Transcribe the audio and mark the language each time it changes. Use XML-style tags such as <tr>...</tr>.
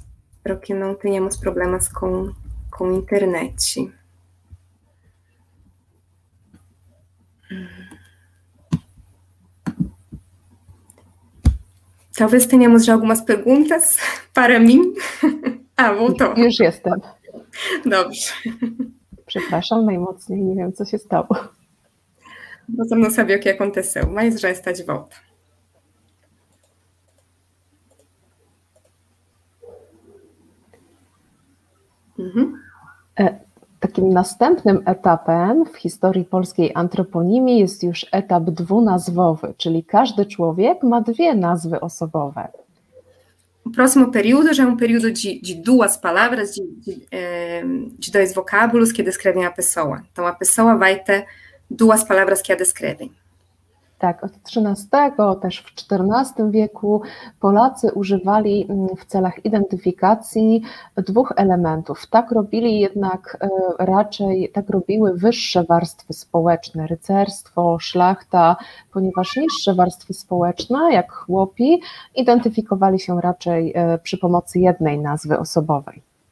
<pt>Espero que não tenhamos problemas com internet. Talvez tenhamos já algumas perguntas para mim. Ah, voltou. Eu já estou.</pt> <pl>Dobrze. Przepraszam najmocniej, nie wiem, co się stało. No to nie sabia, co się mas já está de volta. Takim następnym etapem w historii polskiej antroponimii jest już etap dwunazwowy, czyli każdy człowiek ma dwie nazwy osobowe.</pl> <pt>O próximo período já é período de duas palavras, de dois vocábulos que descrevem a pessoa. Então, a pessoa vai ter duas palavras que a descrevem.</pt> <pl>Tak, od XIII, też w XIV wieku Polacy używali w celach identyfikacji dwóch elementów. Tak robili jednak raczej, tak robiły wyższe warstwy społeczne, rycerstwo, szlachta, ponieważ niższe warstwy społeczne, jak chłopi, identyfikowali się raczej przy pomocy jednej nazwy osobowej.</pl>